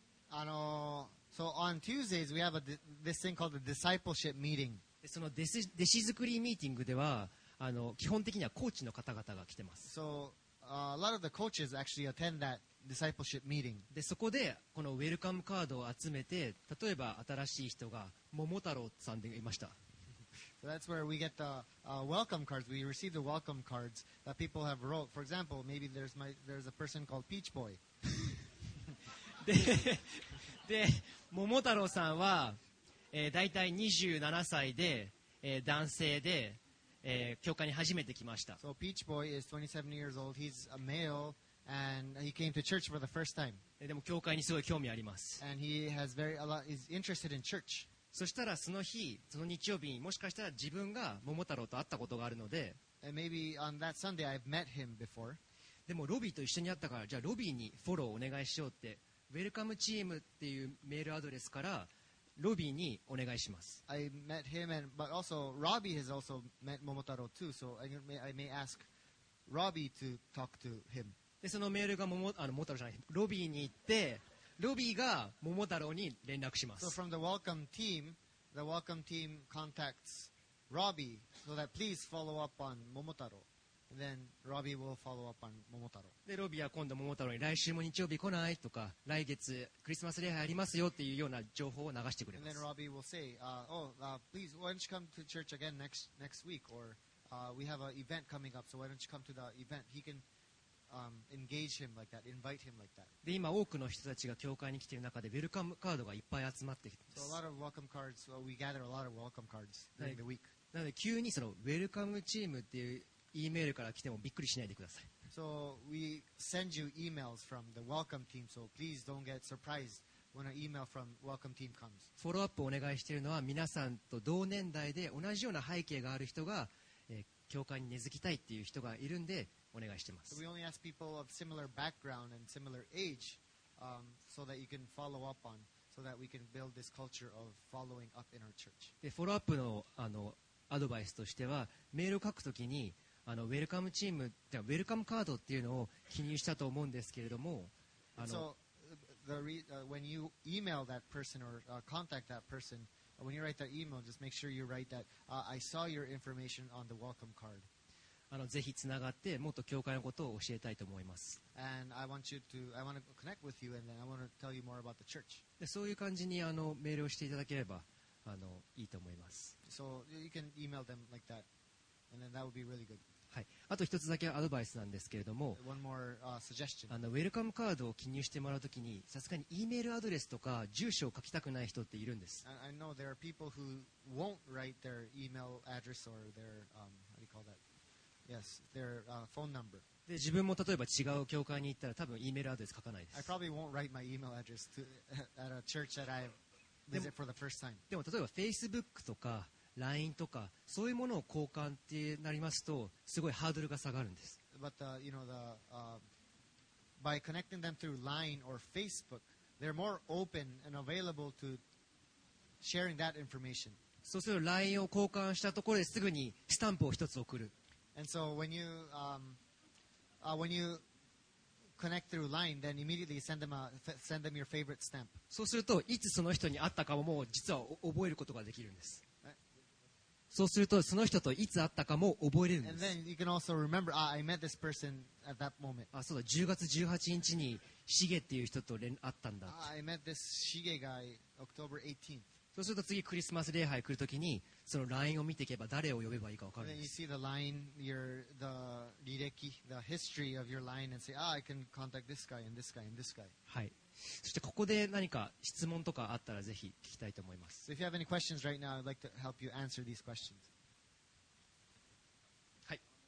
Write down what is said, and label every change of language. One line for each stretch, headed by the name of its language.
English: So on Tuesdays we have this thing called the discipleship meeting.
Japanese: その弟子作りミーティングでは基本的にはコーチの方々が来てます。
English: So a lot of the coaches actually attend thatDiscipleship meeting.
Japanese: でそこでこのウェルカムカードを集めて、例えば新しい人が桃太郎さんでいました。
English: So that's where we get the welcome cards. We receive the welcome cards that people have wrote. For example, maybe there's a person called Peach Boy.
Japanese: で桃太郎さんは、だいたい27歳で、男性で、教会に初めて来ました。
English: So Peach Boy is 27 years old. He's a maleAnd he came to church for the first time.
Japanese: でも教会にすごい興味あります。
English: And he has is interested in church.
Japanese: そしたらその日、その日曜日にもしかしたら自分が桃太郎と会ったことがあるので、
English: And maybe on that Sunday I've met him before.
Japanese: でもロビーと一緒に会ったから、じゃあロビーにフォローお願いしようって、ウェルカムチームっていうメールアドレスからロビーにお願いします。
English: I met him and, but also Robbie has also met Momotaro too, so I may ask Robbie to talk to him.
Japanese: でそのメールが桃太郎じゃない、ロビーに行って、ロビーが桃太郎に連絡します。
English: So from the welcome team, the welcome team contacts Robbie, so that please follow up on 桃太郎. And then Robbie will follow up on 桃太郎.
Japanese: で、ロビーは今度桃太郎に、来週も日曜日来ないとか、来月クリスマス礼拝ありますよっていうような情報を流してくれます。
English: And then Robbie will say, please, why don't you come to church again next week? Or we have an event coming up, so why don't you come to the event? He canengage him like that, invite him like that.
Japanese: で今多くの人たちが教会に来ている中でウェルカムカードがいっぱい集まってきています。
English: So a lot of welcome cards, well, we gather a lot of welcome cards during the week.
Japanese: なので急にそのウェルカムチームっていう E メールから来てもびっくりしないでください。
English: So we send you emails from the welcome team, so please don't get surprised when an email from welcome team comes.
Japanese: フォローアップをお願いしているのは、皆さんと同年代で同じような背景がある人が、教会に根付きたいっていう人がいるんでお願いしてます。
English: So we only ask people of similar background and similar age, so that you can follow up on. so that we can build this culture of following up in our church.
Japanese: で、フォローアップの、あのアドバイスとしては、メールを書くときに、あのウェルカムチーム、ウェルカムカードっていうのを記入したと思うんですけれども、
English: あの、when you email that person or contact that person, when you write that email, just make sure you write that I saw your information on the welcome card.
Japanese: あの、ぜひつながってもっと教会のことを教えたいと思います。
English: And I want you to, I want to connect with you, and then I want to tell you more about the church.
Japanese: で、そういう感じにあのメールをしていただければ。あのいいと思います。
English: So you can email them like that, and then that would be really good.
Japanese: はい、あと一つだけアドバイスなんですけれども、
English: One more, suggestion.
Japanese: あのウェルカムカードを記入してもらうときに、さすがに E メールアドレスとか住所を書きたくない人っているんです。
English: I know there are people who won't write their email address or their, how do you call that? Yes, their, phone number.
Japanese: で、自分も例えば違う教会に行ったら多分 E メールアドレス書かないです。
English: I probably won't write my email address to, at a church that I've visit for the first time.
Japanese: でも例えば Facebook とか LINE とかそういうものを交換ってなりますと、すごいハードルが下がるんです。
English: But the, you know, the, by connecting them through LINE or Facebook, they're more open and available to sharing that information.
Japanese: そうすると LINE を交換したところですぐにスタンプを一つ送る。
English: And so when you, when youConnect through LINE, then immediately send them, send them your favorite stamp.
Japanese: そうすると、いつその人に会ったかも実は覚えることができるんです。そうすると、その人といつ会ったかも覚えれるんです。
English: And then you can also remember, ah, I met this person at that moment.
Japanese: あ、そうだ、10月18日にシゲっていう人と連会ったんだ。
English: I met this Shige guy October 18th.
Japanese: そうすると次クリスマス礼拝来るときに、その LINE を見ていけば誰を呼べばいいか分かるんです。
English: Then you see the LINE, your, the 履歴, the history of your LINE, and say, ah, I can contact this guy and this guy and this guy.
Japanese: はい。そしてここで何か質問とかあったらぜひ聞きたいと思います。
English: So if you have any questions right now, I'd like to help you answer these questions.
Japanese: はい。